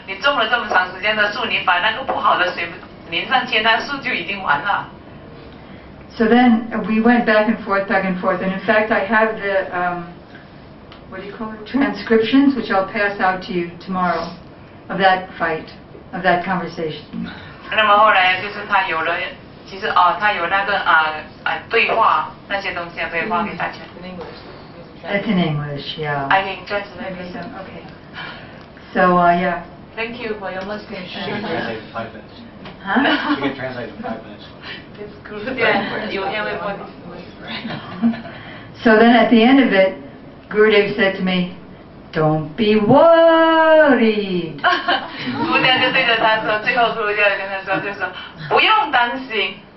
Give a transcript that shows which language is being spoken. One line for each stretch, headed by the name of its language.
Chinese: 你种了这么长时间的树，你把那个不好的水淋上去，那树就已经完了。
English: So then we went back and forth, back and forth, and in fact, I have the what do you call it? Transcriptions, which I'll pass out to you tomorrow, of that fight, of that conversation.
Chinese: 那么后来就是他有了。其实他有那个对话那些东西可以发给大家。
English: It's in English, yeah. I think that's the name of them. Okay. So, yeah. Thank you for your listening. She can translate in 5 minutes. Huh? She can translate in 5 minutes. It's good. Yeah, you have a voice. So then at the end of it, Gurudev said to me,Don't be worried.
Chinese: 姑娘就对着他说，最后姑娘跟他说，就说不用担心。